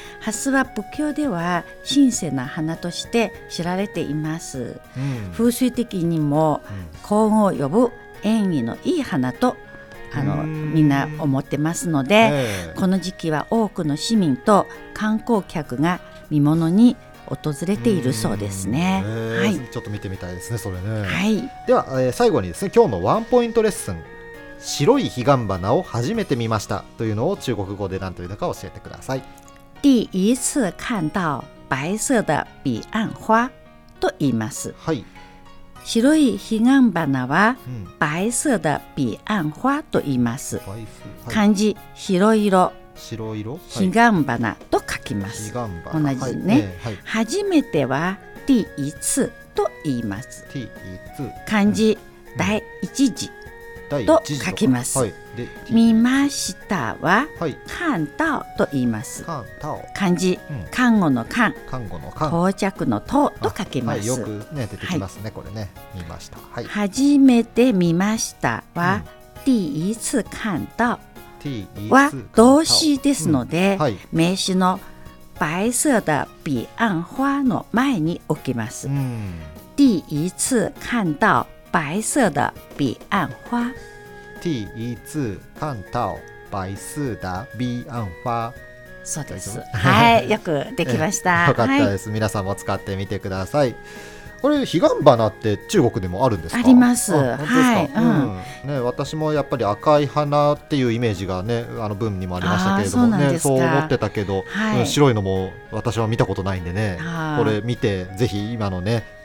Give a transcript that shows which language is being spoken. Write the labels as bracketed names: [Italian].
[Japanese] ハスは仏教では神聖な花として知られています、風水的にも幸運を呼ぶ縁起のいい花とみんな思ってますので、この時期は多くの市民と観光客が見物に訪れているそうですね、はい、ちょっと見てみたいですね、それね、はい。では、最後にですね、今日のワンポイントレッスン、白い彼岸花を初めて見ましたというのを中国語で何というのか教えてください。 [Chinese] 第一次看到白色的彼岸花 [Japanese] と言います、はい、白い彼岸花は [Chinese] 白色的彼岸花 [Japanese] と言います、はい、漢字白色、白色、はい、彼岸花と書きます。彼岸花、同じね、はい、はい、初めては第一次と言います。第一次、漢字第一次と書きます。はい、で見ましたは、はい、看到と言います。漢字、看護の看、看護の看、到着の到と書きます。はい、よく、ね、出てきますね、はい、これね、見ました、はい、初めて見ましたは、 [Chinese] 第一次看到 [Japanese] は動詞ですので、はい、名詞の [Chinese] 白色的彼岸花 [Japanese] の前に置きます。 [Chinese] 第一次看到白色的彼岸花。第一次看到白色的彼岸花。 [Japanese] そうです。はい、よくできました。よかったです、はい。皆さんも使ってみてください。これ彼岸花って中国でもあるんですか？あります。はい、うんうん、ね。私もやっぱり赤い花っていうイメージがね、あのブームにもありましたけれどもね、そう思ってたけど、はい、白いのも私は見たことないんでね。これ見てぜひ今のね。